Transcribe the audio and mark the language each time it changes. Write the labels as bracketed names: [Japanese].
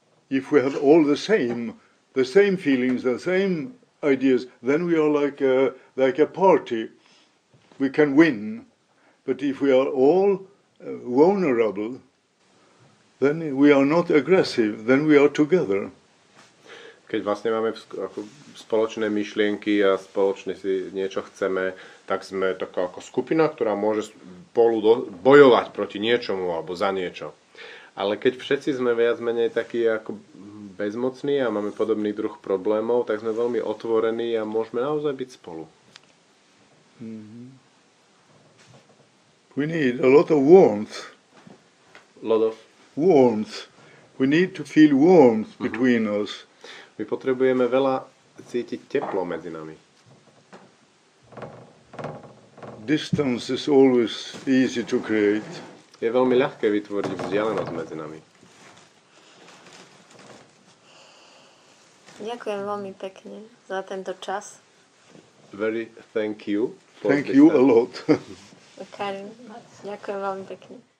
[English] If we have all the same feelings, the same ideas, then we are like a party. We can win. But if we are all vulnerable, then we are not aggressive, then we are together. [Slovak] Keď vlastne máme ako spoločné myšlienky a spoločne si niečo chceme, tak sme taká ako skupina, ktorá môže spolu bojovať proti niečomu alebo za niečo. Ale keď všetci sme viac menej takí ako bezmocní a máme podobný druh problémov, tak sme veľmi otvorení a môžeme naozaj byť spolu. Mm-hmm. [English] We need a lot of warmth. Warmth. We need to feel warmth between us. [Slovak] My potrebujeme veľa cítiť teplo medzi nami. [English] Distance is always easy to create. [Slovak] Je veľmi ľahké vytvoriť vzdialenosť medzi nami. Ďakujem veľmi pekne za tento čas. [English] Very thank you. Thank you a lot. [Slovak] Karin, ďakujem veľmi pekne.